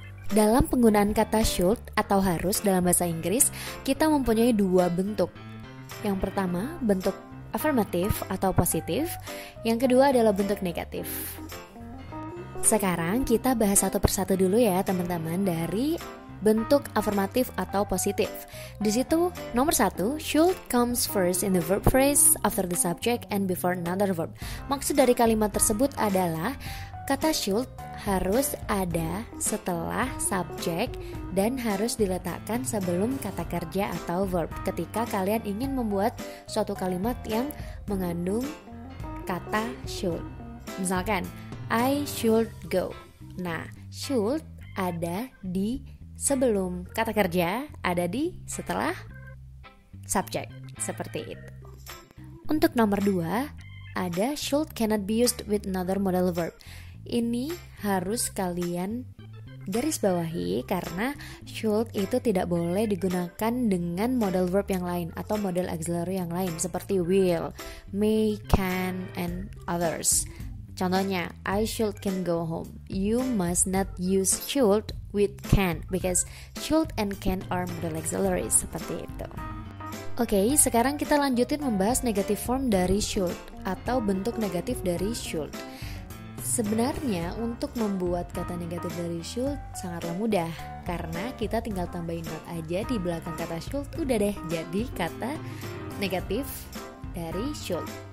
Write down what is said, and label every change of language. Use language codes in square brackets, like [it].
[id] Dalam penggunaan kata should atau harus dalam bahasa Inggris, kita mempunyai dua bentuk. Yang pertama, bentuk affirmative atau positif. Yang kedua adalah bentuk negatif. Sekarang kita bahas satu persatu dulu ya teman-teman dari bentuk afirmatif atau positif. Di situ nomor satu, [en] should comes first in the verb phrase after the subject and before another verb. [id] Maksud dari kalimat tersebut adalah kata should harus ada setelah subject dan harus diletakkan sebelum kata kerja atau verb ketika kalian ingin membuat suatu kalimat yang mengandung kata should. Misalkan [en] I should go. [id] Nah, should ada di sebelum kata kerja, ada di setelah subject. Seperti itu. Untuk nomor dua, ada should cannot be used with another modal verb. Ini harus kalian garis bawahi karena should itu tidak boleh digunakan dengan modal verb yang lain atau modal auxiliary yang lain seperti will, may, can, [en] and others. [id] Contohnya, [en] I should can go home. You must not use should with can because should and can are modal auxiliaries. [id] Seperti itu. Oke, sekarang kita lanjutin membahas negative form dari should atau bentuk negatif dari should. Sebenarnya, untuk membuat kata negatif dari should sangatlah mudah karena kita tinggal tambahin not aja di belakang kata should, udah deh jadi kata negatif dari should.